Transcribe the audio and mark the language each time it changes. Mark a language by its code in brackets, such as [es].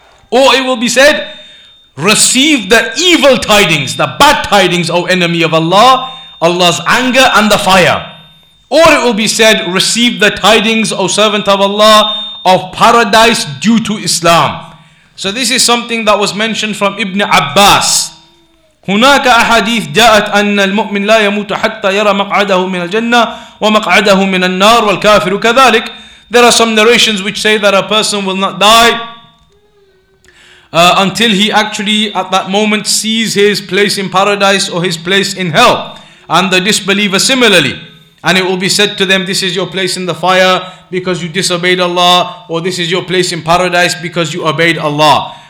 [en] Or it will be said, receive the evil tidings, the bad tidings, O enemy of Allah, Allah's anger and the fire. Or it will be said, receive the tidings, O servant of Allah, of paradise due to Islam. So this is something that was mentioned from Ibn Abbas. [ar] هناك أحاديث جاءت أن المؤمن لا يموت حتى يرى مقعده من الجنة ومقعده من النار والكافر كذلك. [en] There are some narrations which say that a person will not die until he actually at that moment sees his place in paradise or his place in hell. And the disbeliever similarly. And it will be said to them, this is your place in the fire because you disobeyed Allah, or this is your place in paradise because you obeyed Allah.